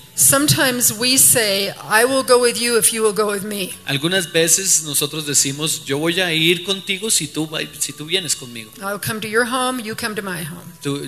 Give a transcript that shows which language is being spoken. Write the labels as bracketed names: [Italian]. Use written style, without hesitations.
[English] Sometimes we say, I will go with you if you will go with me. [Spanish] Algunas veces nosotros decimos, yo voy a ir contigo si tú vienes conmigo. [English] I'll come to your home, you come to my home.